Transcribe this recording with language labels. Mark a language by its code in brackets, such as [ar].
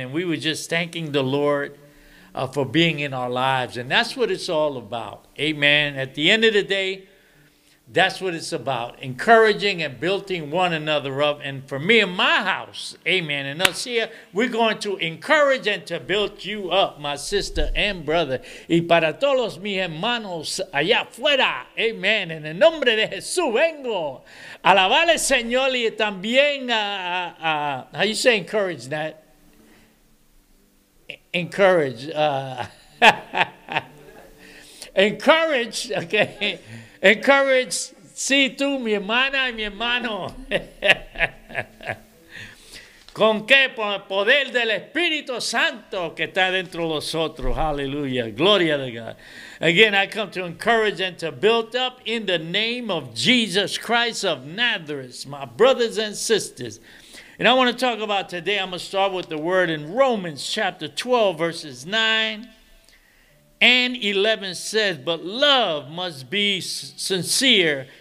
[en] And we were just thanking the Lord for being in our lives. And that's what it's all about. Amen. At the end of the day, That's what it's about, encouraging and building one another up. And for me and my house, amen. And us here, we're going to encourage and to build you up, my sister and brother. [es] Y para todos mis hermanos allá afuera, amen. En el nombre de Jesús vengo. Alabale, Señor, y también, [en] how you say encourage that? Encourage. encourage, okay. [es] Encourage, sí, tú, mi hermana y mi hermano. ¿Con qué? Por el poder del Espíritu Santo que está dentro de nosotros. Hallelujah. Gloria a God. [en] Again, I come to encourage and to build up in the name of Jesus Christ of Nazareth, my brothers and sisters. And I want to talk about today, I'm going to start with the word in Romans chapter 12, verses 9. And 11 says, but love must be sincere.